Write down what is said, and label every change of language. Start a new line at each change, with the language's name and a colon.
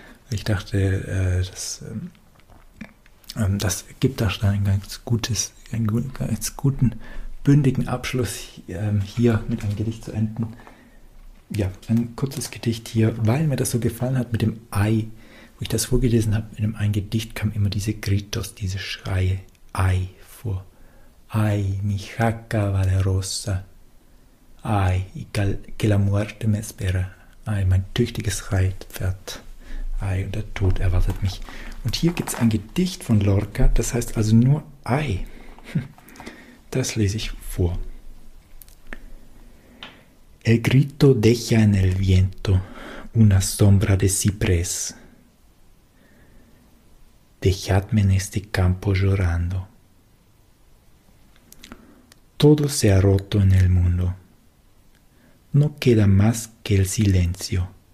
German: Ich dachte, das gibt da schon einen ganz guten, bündigen Abschluss, hier mit einem Gedicht zu enden. Ja, ein kurzes Gedicht hier, weil mir das so gefallen hat mit dem Ei. Wo ich das vorgelesen habe, in dem einen Gedicht kam immer diese Gritos, diese Schreie, Ei vor.
Spanish: Ay, mi jaca valerosa. Ay, que la muerte me espera.
German: Ay, mein tüchtiges Reitpferd. Ay, und der Tod erwartet mich. Und hier gibt es ein Gedicht von Lorca, das heißt also nur Ay. Das lese ich vor.
Spanish: El grito deja en el viento una sombra de ciprés. Dejadme en este campo llorando. Todo se ha roto en el mundo. No queda más que el silencio.